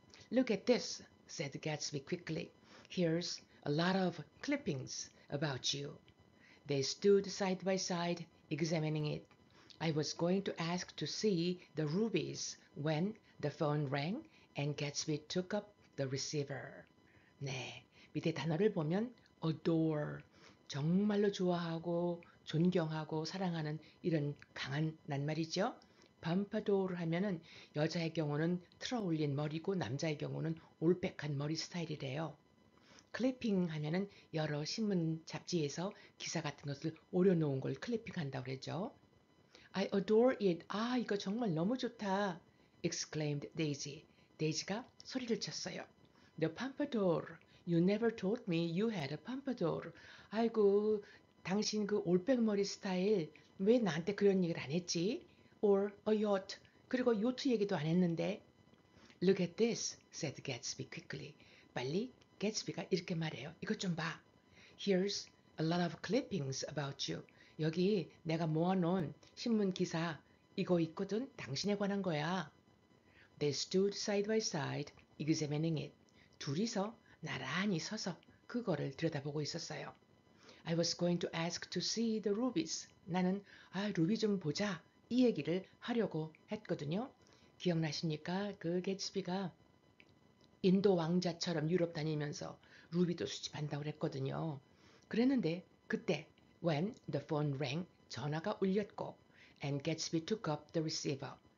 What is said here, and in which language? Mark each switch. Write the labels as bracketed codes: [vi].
[en] Look at this, said Gatsby quickly. Here's a lot of clippings about you. They stood side by side, examining it. I was going to ask to see the rubies when the phone rang and Gatsby took up the receiver. [ko] 네, 밑에 단어를 보면 adore, 정말로 좋아하고 존경하고 사랑하는 이런 강한 낱말이죠. Pompadour 하면은 여자의 경우는 틀어올린 머리고 남자의 경우는 올백한 머리 스타일이래요. Clipping 하면은 여러 신문 잡지에서 기사 같은 것을 오려놓은 걸 클리핑 한다고 그랬죠. [en] I adore it. [ko] 아, 이거 정말 너무 좋다. [en] exclaimed Daisy. [ko] 데이지가 소리를 쳤어요. [en] The pompadour. You never told me you had a pompadour. [ko] 아이고, 당신 그 올백머리 스타일 왜 나한테 그런 얘기를 안 했지? [en] Or a yacht. [ko] 그리고 요트 얘기도 안 했는데. [en] Look at this, said Gatsby quickly. [ko] 빨리 Gatsby가 이렇게 말해요. 이것 좀 봐. [en] Here's a lot of clippings about you. [ko] 여기 내가 모아놓은 신문 기사 이거 있거든. 당신에 관한 거야. [en] They stood side by side, examining it. [ko] 둘이서 나란히 서서 그거를 들여다보고 있었어요. [en] I was going to ask to see the rubies. [ko] 나는 아, 루비 좀 보자. 이 얘기를 하려고 했거든요. 기억나십니까? 그 게츠비가 인도 왕자처럼 유럽 다니면서 루비도 수집한다고 그랬거든요. 그랬는데 그때 [en] when the phone rang, [ko] 전화가 울렸고 [en] and Gatsby took up the receiver.